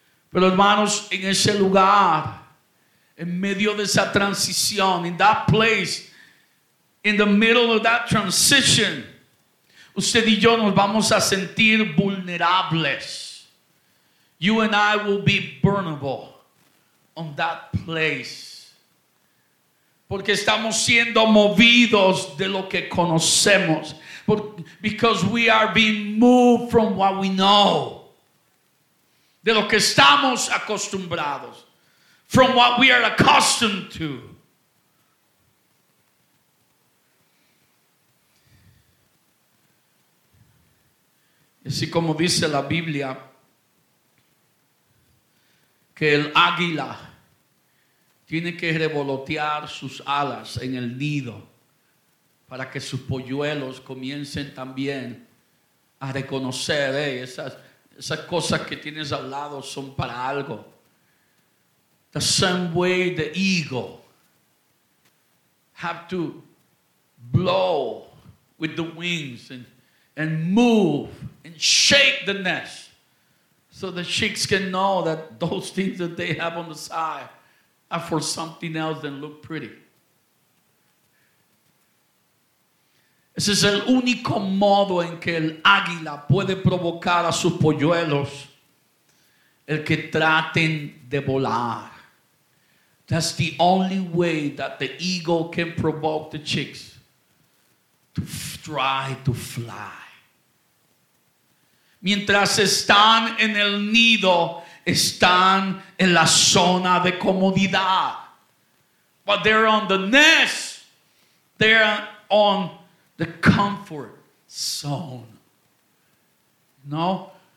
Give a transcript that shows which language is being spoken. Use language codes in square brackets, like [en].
[es] Pero hermanos, en ese lugar, en medio de esa transición, [en] in that place, in the middle of that transition, [es] usted y yo nos vamos a sentir vulnerables. [en] You and I will be vulnerable on that place. [es] Porque estamos siendo movidos de lo que conocemos. [en] Because we are being moved from what we know. [es] De lo que estamos acostumbrados. [en] From what we are accustomed to. [es] Así como dice la Biblia, que el águila tiene que revolotear sus alas en el nido para que sus polluelos comiencen también a reconocer, hey, esas cosas que tienes al lado son para algo. [en] The same way the eagle have to blow with the wings and move and shake the nest so the chicks can know that those things that they have on the side are for something else than look pretty. [es] Ese es el único modo en que el águila puede provocar a sus polluelos el que traten de volar. [en] That's the only way that the eagle can provoke the chicks to try to fly. [es] Mientras están en el nido, están en la zona de comodidad. [en] But they're on the nest. They're on the comfort zone. No.